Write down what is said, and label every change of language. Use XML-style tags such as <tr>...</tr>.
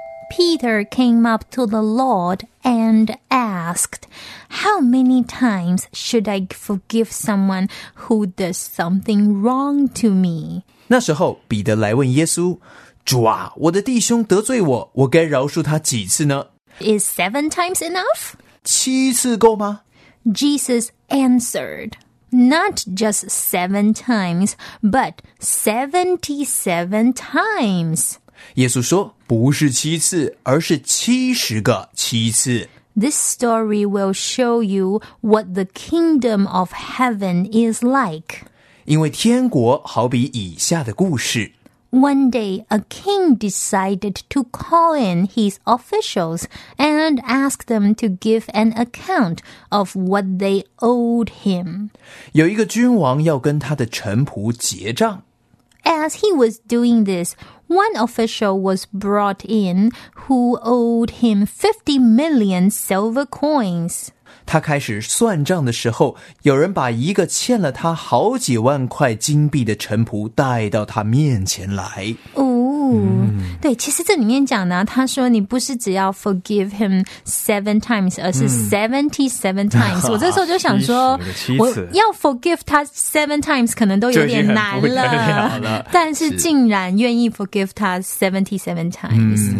<en>Peter came up to the Lord and asked, How many times should I forgive someone who does something wrong to me?</en> <zh>那时候彼得来问耶稣，主啊，我的弟兄得罪我，我该饶恕他几次呢？</zh> <en>Is 7 times enough?</en> <zh>7次够吗？</zh> <en>Jesus answered, Not just 7 times, but 77 times.</en> <zh>耶稣说，不是7次，而是70个7次。</zh> <en>This story will show you what the kingdom of heaven is like.</en> <zh>因为天国好比以下的故事。</zh> <en>One day, a king decided to call in his officials and ask them to give an account of what they owed him.</en> <zh>有一个君王要跟他的臣仆结账。</zh> <en>As he was doing this, one official was brought in who owed him 50 million silver coins.</en> <zh>他开始算账的时候，有人把一个欠了他好几万块金币的臣仆带到他面前来。对，其实这里面讲呢，他说你不是只要</zh> <en>forgive him 7 times，</en> <zh>而是</zh> <en>77 times、</en> <zh>我这时候就想说我要 forgive 他 7 times 可能都有点难 了，但是竟然愿意 forgive 他 77 times。</zh>